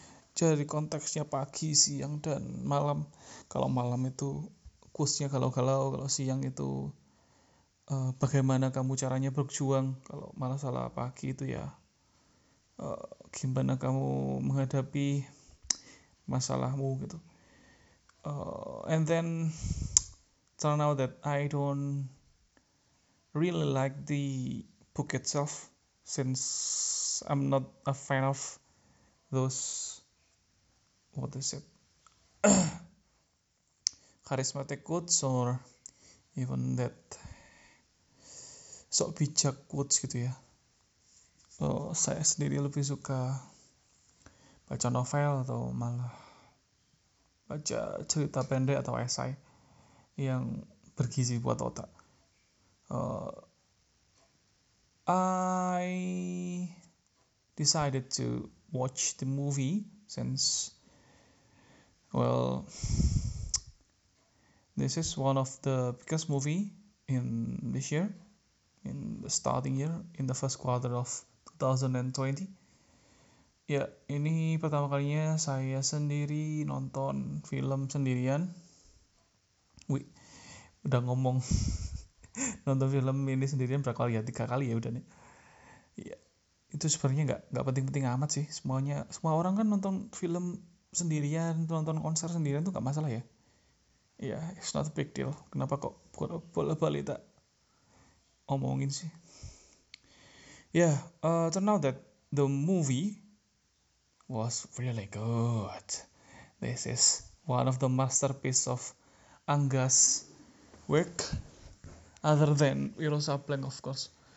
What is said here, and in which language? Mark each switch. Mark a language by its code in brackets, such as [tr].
[id] Jadi konteksnya pagi, siang, dan malam. Kalau malam itu quotes-nya galau-galau, kalau siang itu bagaimana kamu caranya berjuang. Kalau masalah pagi itu ya gimana kamu menghadapi masalahmu gitu. [en] And then turn out that I don't really like the book itself, since I'm not a fan of those, what is it, charismatic quotes or even that [id] sok bijak [en] quotes [id] gitu ya. Oh, saya sendiri lebih suka baca novel atau malah baca cerita pendek atau esai yang bergizi buat otak. [en] I decided to watch the movie since, well, this is one of the biggest movie in this year, in the starting year, in the first quarter of 2020. [id] Ya, ini pertama kalinya saya sendiri nonton film sendirian. Wih, udah ngomong nonton film ini sendirian berapa kali ya? 3 kali ya udah nih. Ya, itu sebenarnya nggak penting-penting amat sih. Semuanya, semua orang kan nonton film sendirian, nonton konser sendirian tuh nggak masalah ya. Ya, [en] yeah, it's not a big deal. [id] Kenapa kok bolak-balik tak omongin sih? [en] Ya, yeah, turn out that the movie was really good. This is one of the masterpiece of Angga's work, other than Wiro Sableng, of course.